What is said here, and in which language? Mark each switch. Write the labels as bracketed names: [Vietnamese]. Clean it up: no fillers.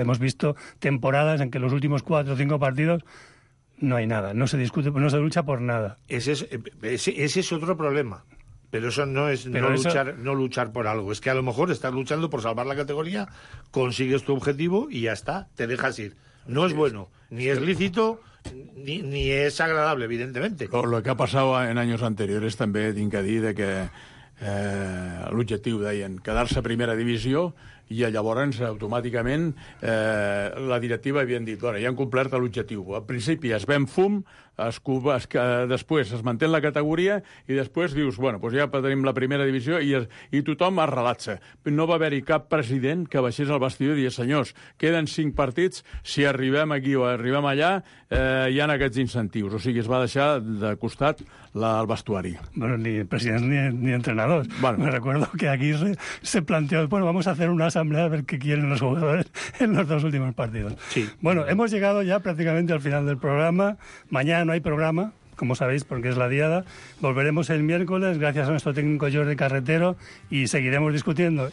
[Spanish] Hemos visto temporadas en que los últimos 4 o 5 partidos no hay nada, no se discute, no se lucha por nada. Ese es otro problema. Pero eso no es no luchar por algo. Es que a lo mejor estás luchando por salvar la categoría, consigues tu objetivo y ya está, te dejas ir. No es bueno, ni es lícito, ni es agradable, evidentemente. Lo que ha pasado en años anteriores [Catalan] també, tinc a dir, de que l'objectiu, deien, quedar-se a primera divisió, i llavors automàticament la directiva havien dit, bueno, ja han complert l'objectiu. Al principi es ven fum, després es manté la categoria i després dius, bueno, doncs ja tenim la primera divisió i tothom es relaxa. No va haver-hi cap president que baixés al vestidor i digués, senyors, queden 5 partits, si arribem aquí o arribem allà, hi han aquests incentius. O sigui, es va deixar de costat el vestuari. Bueno, ni presidents ni entrenadors. Bueno. [Spanish] Me recuerdo que aquí se planteó, bueno, vamos a hacer una asamblea a ver qué quieren los jugadores en los dos últimos partidos. Sí. Bueno, hemos llegado ya prácticamente al final del programa. Mañana no hay programa, como sabéis, porque es la diada. Volveremos el miércoles, gracias a nuestro técnico Jordi Carretero, y seguiremos discutiendo.